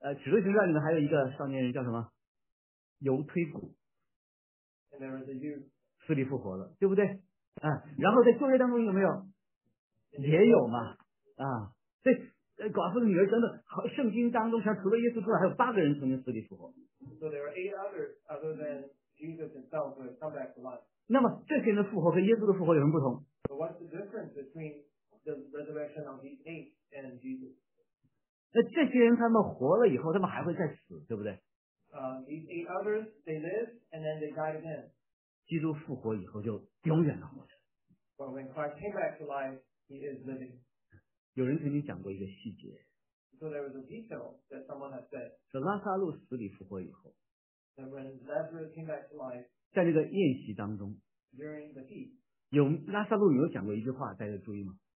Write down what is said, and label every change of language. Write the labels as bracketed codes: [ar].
[zh] 使徒行传里面还有一个少年人叫什么？犹推古。 [en] And there was a youth. [zh] 死里复活了，对不对？然后在旧约当中有没有？也有嘛。对，寡妇的女儿等等，圣经当中像除了耶稣之外，还有八个人曾经死里复活。 [en] So there are eight others other than Jesus himself who have come back to life. [zh] 那么这些人的复活和耶稣的复活有什么不同 [en] ？So what's the difference between the resurrection of these eight and Jesus? [zh] 那这些人他们活了以后，他们还会再死，对不对？ [en] These eight others, they live and then they die again. [zh] 基督复活以后就永远的活着。 [en] But when Christ came back to life, he is living. [zh] 有人曾经讲过一个细节。 [en] So there was a detail that someone had said. [zh] 是拉撒路死里复活以后。 [en] That when Lazarus came back to life. [zh] 在那个宴席当中。 [en] During the feast. [zh] 有拉撒路有讲过一句话，大家注意吗？